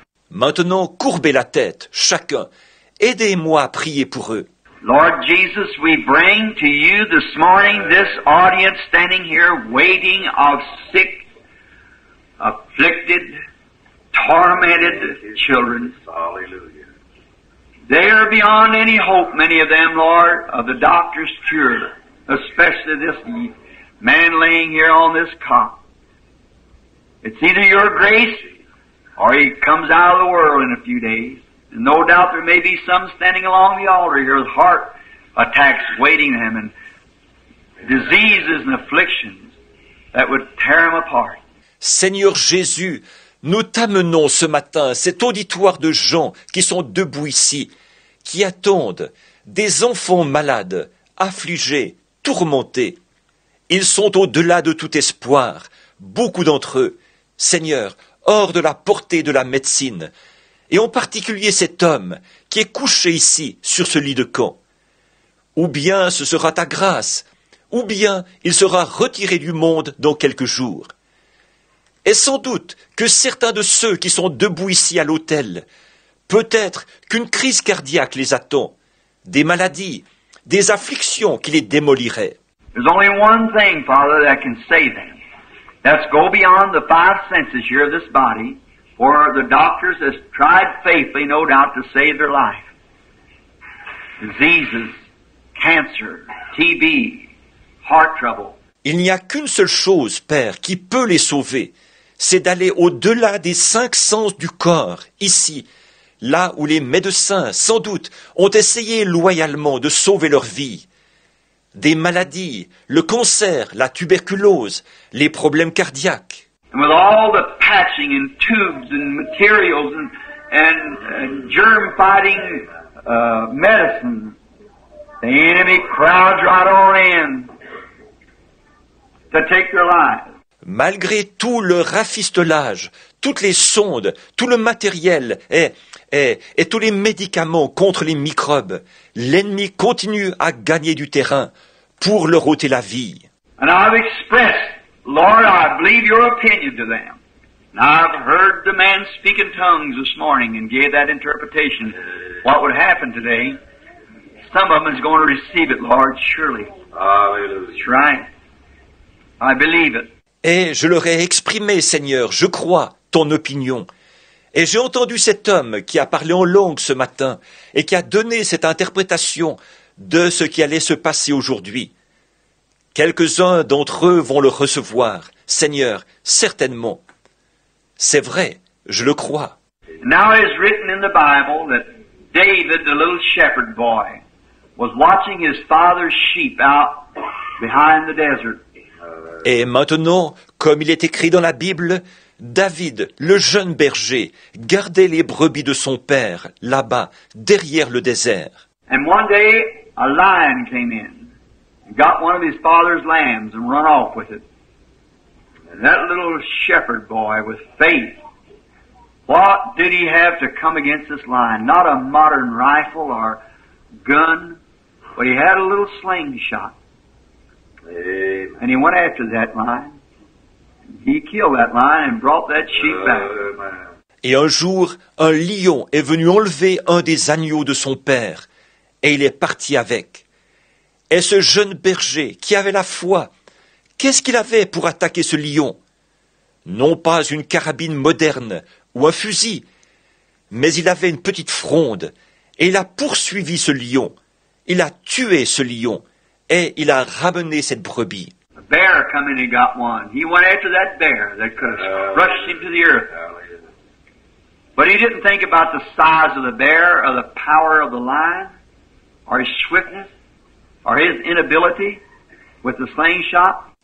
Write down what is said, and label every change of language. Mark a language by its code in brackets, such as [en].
[fr] Maintenant, courbez la tête, chacun. Aidez-moi à prier pour eux. [en] Lord Jesus, we bring to you this morning this audience standing here waiting of sick, afflicted, tormented children. Hallelujah. They are beyond any hope, many of them, Lord, of the doctor's cure, especially this man laying here on this cot. It's either your grace or he comes out of the world in a few days. And no doubt there may be some standing along the altar here with heart attacks waiting him and diseases and afflictions that would tear him apart. [fr] Seigneur Jésus, nous t'amenons ce matin cet auditoire de gens qui sont debout ici, qui attendent des enfants malades, affligés, tourmentés. Ils sont au-delà de tout espoir, beaucoup d'entre eux, Seigneur, hors de la portée de la médecine, et en particulier cet homme qui est couché ici sur ce lit de camp. Ou bien ce sera ta grâce, ou bien il sera retiré du monde dans quelques jours. Et sans doute que certains de ceux qui sont debout ici à l'autel, peut-être qu'une crise cardiaque les attend, des maladies, des afflictions qui les démoliraient. [en] There's only one thing, Father, that can save them. That's go beyond the five senses here of this body where the doctors have tried faithfully, no doubt, to save their life. Diseases, cancer, TB, heart trouble. [fr] Il n'y a qu'une seule chose, Père, qui peut les sauver, c'est d'aller au-delà des cinq sens du corps, ici, là où les médecins, sans doute, ont essayé loyalement de sauver leur vie. Des maladies, le cancer, la tuberculose, les problèmes cardiaques. [en] And with all the patching and tubes and materials and germ-fighting medicine, the enemy crowds right on in to take their lives. [fr] Malgré tout le rafistolage, toutes les sondes, tout le matériel et tous les médicaments contre les microbes, l'ennemi continue à gagner du terrain pour leur ôter la vie. [en] And I've expressed, Lord, I believe your opinion to them. And I've heard the man speak in tongues this morning and gave that interpretation. What would happen today? Some of them is going to receive it, Lord, surely. Hallelujah. That's right. I believe it. [fr] Et je leur ai exprimé, Seigneur, je crois ton opinion. Et j'ai entendu cet homme qui a parlé en langue ce matin et qui a donné cette interprétation de ce qui allait se passer aujourd'hui. Quelques-uns d'entre eux vont le recevoir, Seigneur, certainement. C'est vrai, je le crois. [en] Now it is written in the Bible that David, the little shepherd boy, was watching his father's sheep out behind the desert. [fr] Et maintenant, comme il est écrit dans la Bible, David, le jeune berger, gardait les brebis de son père, là-bas, derrière le désert. [en] And one day, a lion came in, got one of his father's lambs and run off with it. And that little shepherd boy, with faith, what did he have to come against this lion? Not a modern rifle or gun, but he had a little slingshot. Amen. And he went after that lion. He killed that lion and brought that sheep back. [fr] Et un jour, un lion est venu enlever un des agneaux de son père, et il est parti avec. Et ce jeune berger qui avait la foi, qu'est-ce qu'il avait pour attaquer ce lion? Non pas une carabine moderne ou un fusil, mais il avait une petite fronde, et il a poursuivi ce lion. Il a tué ce lion. Et il a ramené cette brebis. [en] A bear came and he got one. He went after that bear that could have crushed him to the earth. But he didn't think about the size of the bear or the power of the lion or his swiftness or his inability with the slingshot.